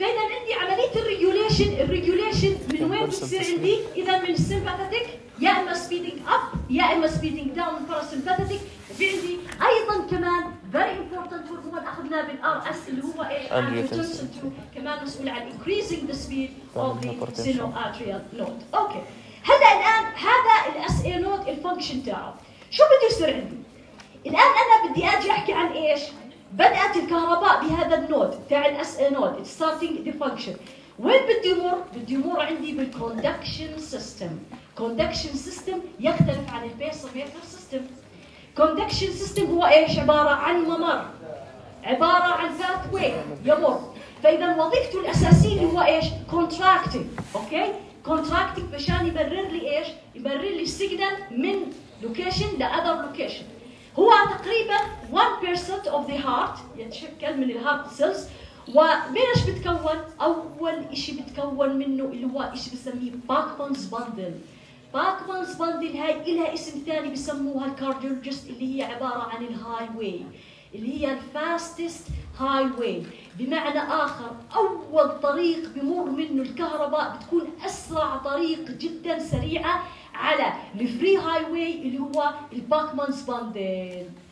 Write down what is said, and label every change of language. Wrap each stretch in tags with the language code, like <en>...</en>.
<ar>فإذا عندي عملية الريجوليشن، من وين بتصير عندي؟ إذا من السمباثيتك يا إما</ar> <en>speeding up</en> <ar>يا إما</ar> <en>speeding down</en> <ar>parasympathetic. عندي أيضا كمان</ar> <en>very important for هو أخذنا بالRS اللي هو angiotensin II</en> <ar>كمان مسؤول عن</ar> <en>increasing the speed of the sinoatrial node.</en> <ar>okay هلا الآن هذا الSA node الfunction تاعه شو بده يصير عندي؟ الآن أنا بدي أجي أحكي عن إيش؟ بدأت الكهرباء بهذا النود تاع الSA node</ar> <en>it's starting the function.</en> <ar>وين بدي يمر؟ بدي يمر عندي بالconduction system.</ar> <en>Conduction system يختلف عن pacemaker system.</en> <ar>Conduction system هو إيش؟ عبارة عن ممر، عبارة عن pathway يمر. فإذا وظيفته الأساسية هو إيش؟ contracting. okay contracting مشان يبرر لي إيش؟ يبرر لي signal من</ar> <en>location to other location.</en> <ar>هو تقريبا</ar> <en>1% of the heart</en> <ar>يتشكل من</ar> <en>the heart cells.</en> <ar>ومن إيش بتكون؟ أول إشي بتكون منه اللي هو إيش بسميه Backbone's bundle. باكمانز باندل هاي إلها اسم ثاني بسموها الكارديولوجست اللي هي عبارة عن الهاي واي اللي هي الفاستست هاي واي، بمعنى آخر أول طريق بمر منه الكهرباء بتكون أسرع طريق جدا سريعة على الفري هاي واي اللي هو الباكمانز باندل.</ar>